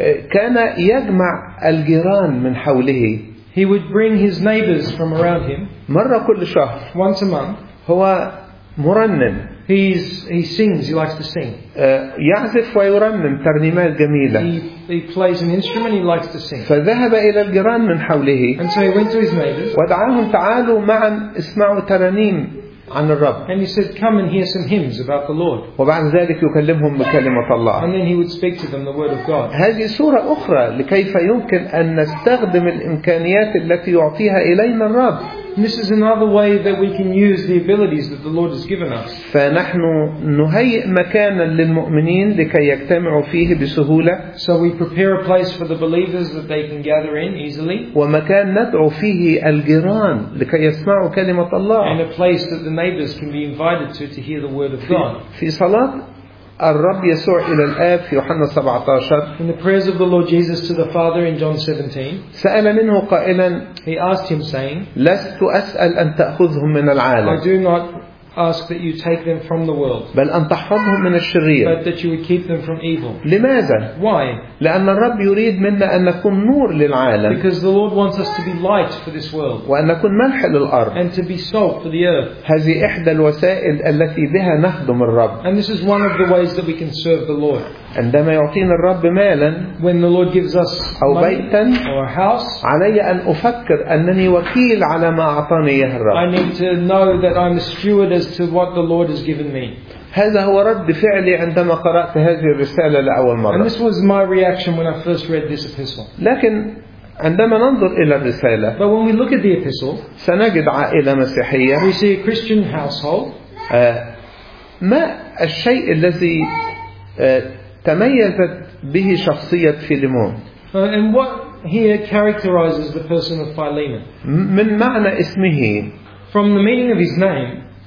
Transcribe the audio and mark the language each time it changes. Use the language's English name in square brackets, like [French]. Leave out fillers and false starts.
[Arabic] كان يجمع الجيران من حوله. [English] He would bring his neighbors from around him. [Arabic] مرة كل شهر. [English] Once a month. [Arabic] هو مرنم. [English] He sings. He likes to sing. [Arabic] يعزف ويرنم ترنيمات جميلة. [English] He plays an instrument. He likes to sing. [Arabic] فذهب إلى الجيران من حوله. [English] And so he went to his neighbors. [Arabic] ودعاهم تعالوا معا اسمعوا ترانيم عن الرب. [English] And he said, come and hear some hymns about the Lord. [Arabic] وبعد ذلك يكلمهم بكلمة الله. [English] And then he would speak to them the word of God. [Arabic] هذه صورة أخرى لكيف يمكن أن نستخدم الإمكانيات التي يعطيها إلينا الرب. [English] And this is another way that we can use the abilities that the Lord has given us. [Arabic] فنحن نهيئ مكانا للمؤمنين لكي يجتمعوا فيه بسهولة. [English] So we prepare a place for the believers that they can gather in easily. [Arabic] ومكان ندعو فيه الجيران لكي يسمعوا كلمة الله. [English] And a place that the neighbors can be invited to hear the word of God. [Arabic] في صلاة الرب يسوع إلى الآب في يوحنا 17. [English] In the prayers of the Lord Jesus to the Father in John 17. [Arabic] سأل منه قائلا. [English] He asked him saying. [Arabic] لست أسأل أن تأخذهم من العالم. [English] I do not ask that you take them from the world. [Arabic] بل أن تحفظهم من الشرير. [English] But that you would keep them from evil. [Arabic] لماذا؟ [English] Why? [Arabic] لأن الرب يريد منا أن نكون نور للعالم. [English] Because the Lord wants us to be light for this world. [Arabic] وأن نكون ملح للأرض. [English] And to be salt for the earth. [Arabic] هذه إحدى الوسائل التي بها نخدم الرب. [English] And this is one of the ways that we can serve the Lord. [Arabic] عندما يعطينا الرب مالا. [English] When the Lord gives us [Arabic] أو بيتا. [English] Or a house. [Arabic] علي أن أفكر أنني وكيل على ما أعطاني إياه الرب. [English] I need to know that I'm a steward as to what the Lord has given me. [Arabic] هذا هو رد فعلي عندما قرأت هذه الرسالة لأول مرة. [English] And this was my reaction when I first read this epistle. [Arabic] لكن عندما ننظر إلى الرسالة. [English] But when we look at the epistle. [Arabic] سنجد عائلة مسيحية. [English] We see a Christian household. [Arabic] ما الشيء الذي تميزت به شخصية فيليمون؟ [English] And what here characterizes the person of Philemon? [Arabic] من معنى اسمه. [English] From the meaning of his name.